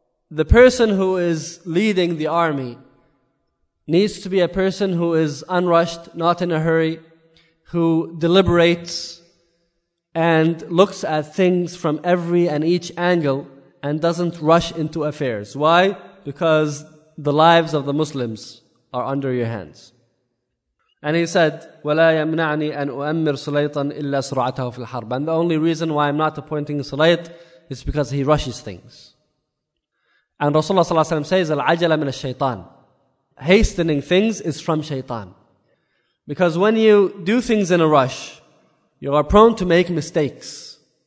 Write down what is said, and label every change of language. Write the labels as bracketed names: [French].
[English] the person who is leading the army needs to be a person who is unrushed, not in a hurry, who deliberates and looks at things from every and each angle and doesn't rush into affairs. Why? Because the lives of the Muslims are under your hands. And he said, [Arabic] وَلَا يَمْنَعْنِي أَنْ أُؤَمِّرْ سُلَيْطًا إِلَّا سُرْعَتَهُ فِي الْحَرْبِ. [English] And the only reason why I'm not appointing Sulayt is because he rushes things. And Rasulullah sallallahu alayhi wa sallam says, [Arabic] الْعَجَلَ مِنَ الشَّيْطَانِ. [English] Hastening things is from shaitan. Because when you do things in a rush, you are prone to make mistakes.